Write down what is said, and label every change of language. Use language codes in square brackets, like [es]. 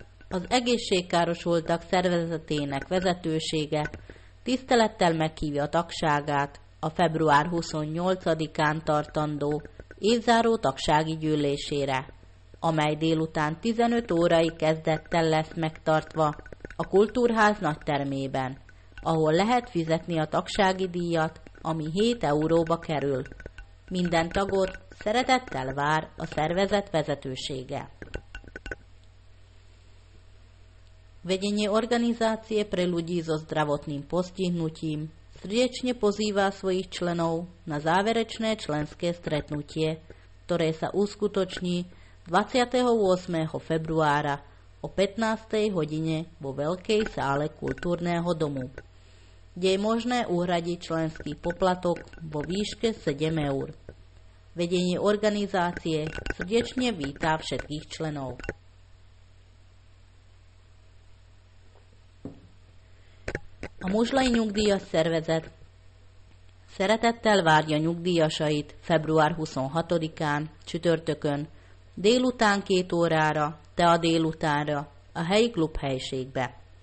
[hu] Az egészségkárosultak szervezetének vezetősége tisztelettel meghívja a tagságát a február 28-án tartandó évzáró tagsági gyűlésére, amely délután 15 órai kezdettel lesz megtartva a Kultúrház nagytermében, ahol lehet fizetni a tagsági díjat, ami 7 euróba kerül. Minden tagot szeretettel vár a szervezet vezetősége. [sk] Vedenie organizácie pre ľudí so zdravotným postihnutím srdečne pozýva svojich členov na záverečné členské stretnutie, ktoré sa uskutoční 28. februára o 15. hodine vo Veľkej sále Kultúrneho domu, kde je možné uhradiť členský poplatok vo výške 7 eur. Vedenie organizácie srdečne vítá všetkých členov. [hu] A Muzslai Nyugdíjas Szervezet szeretettel várja nyugdíjasait február 26-án, csütörtökön, délután 2 órára, te a délutánra, a helyi klubhelyiségbe.